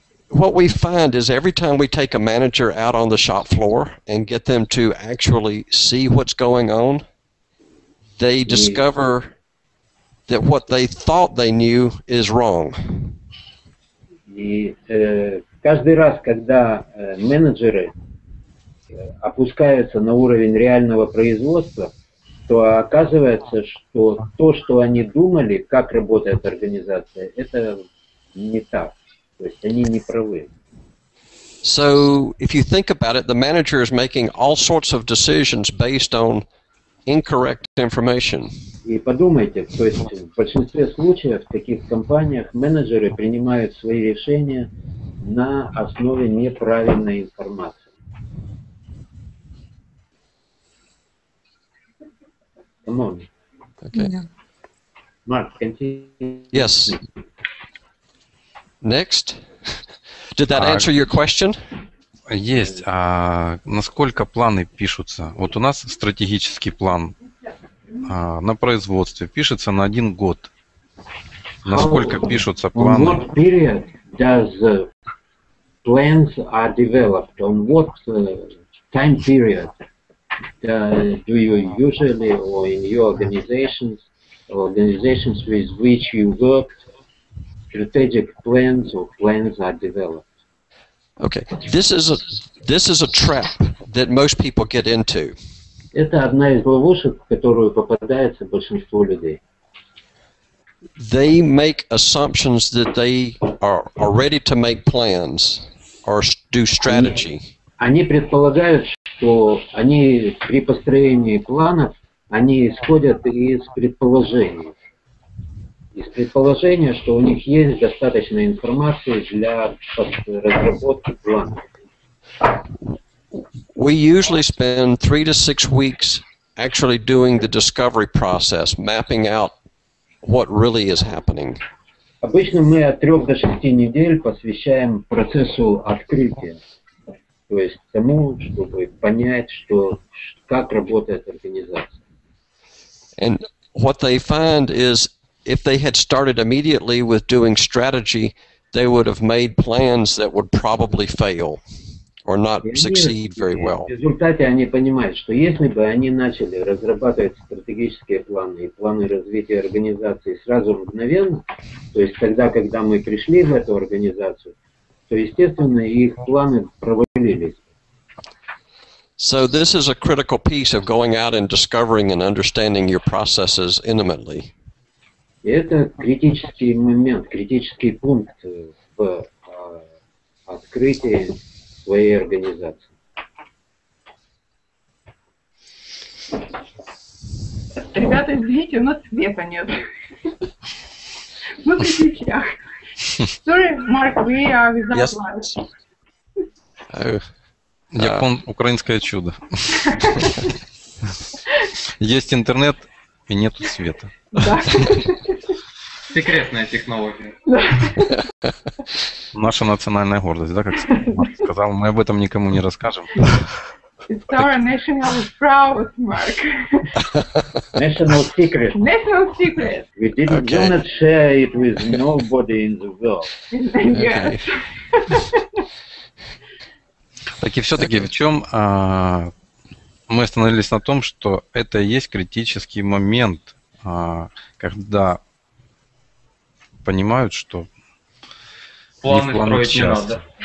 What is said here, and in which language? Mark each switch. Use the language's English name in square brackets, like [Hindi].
[English] What we find is every time we take a manager out on the shop floor and get them to actually see what's going on, they discover that what they thought they knew is wrong. [Russian] И каждый раз, когда менеджеры опускаются на уровень реального производства, то оказывается, что то, что они думали, как работает организация, это не так. То есть они не правы. [English] So, if you think about it, the manager is making all sorts of decisions based on incorrect information. [Russian] И подумайте, то есть в большинстве случаев в таких компаниях менеджеры принимают свои решения на основе неправильной информации. [English] Come on. Okay. Mark, continue. Yes. Next. Did that answer your question? [Russian] Есть. А насколько планы пишутся? Вот у нас стратегический план на производстве пишется на один год. Насколько пишутся планы? [English] What period does plans are developed? On what time period do you usually or in your organizations or organizations with which you work strategic plans or plans are developed? Okay, this is a trap that most people get into. [Russian] Это одна из ловушек, в которую попадается большинство людей. [English] They make assumptions that they are ready to make plans or do strategy. [Russian] Они предполагают, что они при построении планов они исходят из предположений. Из предположения, что у них есть достаточно информации для разработки плана. [English] We usually spend 3 to 6 weeks actually doing the discovery process, mapping out what really is happening. [Russian] Обычно мы от 3 до 6 недель посвящаем процессу открытия, то есть тому, чтобы понять, что как работает организация. [English] And what they find is if they had started immediately with doing strategy, they would have made plans that would probably fail or not succeed very well. [Russian] В результате они понимают, что если бы они начали разрабатывать стратегические планы и планы развития организации сразу мгновенно, то есть тогда, когда мы пришли в эту организацию, то, естественно, их планы провалились. [English] So this is a critical piece of going out and discovering and understanding your processes intimately. [Russian] Это критический момент, критический пункт в открытии своей организации. Ребята, извините, у нас света нет. Мы в ключах. [English] Sorry, Mark, we are without yes. light. [Russian] Украинское чудо. Есть интернет и нету света. Секретная технология. Наша национальная гордость, да, как Марк сказал, мы об этом никому не расскажем. [English] It's our national proud, Mark. National secret. National secret. We didn't okay. do not share it with nobody in the world. Yes. [Russian] Так и все-таки в чем мы остановились на том, что это и есть критический момент, когда понимают, что планы их планы строить не надо.